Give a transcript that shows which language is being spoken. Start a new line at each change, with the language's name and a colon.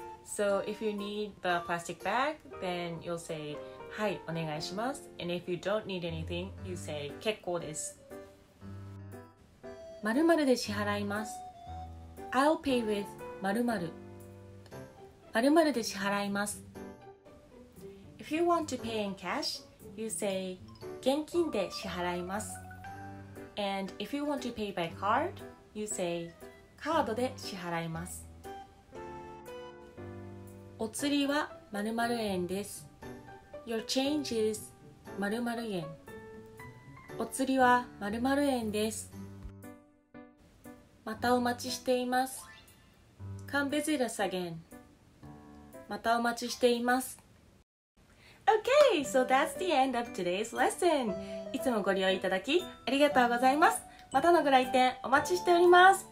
English: So if you need the plastic bag, then you'll say,
Japanese: はい、お願いします.
English: And if you don't need anything, you say,
Japanese: 結構です。まるまるで支払います。
English: I'll pay with
Japanese: 〇〇。〇〇で支払います。
English: If you want to pay in cash, you say
Japanese: 現金で支払います。
English: And if you want to pay by card, you say
Japanese: カードで支払います。お釣りは〇〇円です。
English: Your change is 〇
Japanese: 〇円。お釣りは〇〇円です。またお待ちしています。
English: Come visit us again.
Japanese: またお待ちしています。
English: Okay, so that's the end of today's lesson.
Japanese: いつもご利用いただきありがとうございます。またのご来店お待ちしております。